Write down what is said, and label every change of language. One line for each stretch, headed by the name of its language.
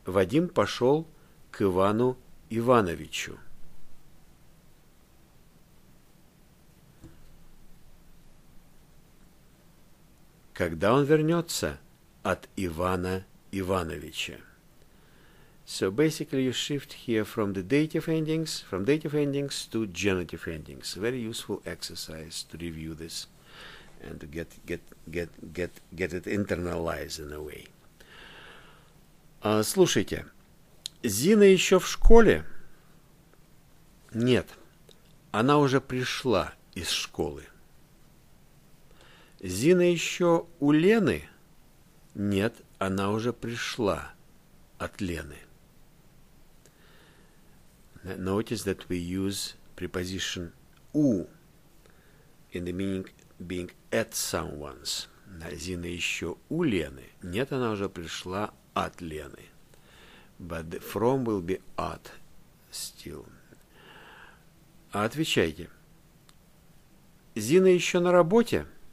Russian: Вадим пошел к Ивану Ивановичу. Когда он вернется от Ивана Ивановича?
English: So basically you shift here from the dative endings to genitive endings. Very useful exercise to review this and to get it internalized in a way.
Russian: Слушайте, Зина еще в школе? Нет, она уже пришла из школы. Зина еще у Лены? Нет, она уже пришла от Лены.
English: Notice that we use preposition у in the meaning being at someone's.
Russian: Зина еще у Лены? Нет, она уже пришла от Лены.
English: But the from will be at still.
Russian: Отвечайте. Зина еще на работе?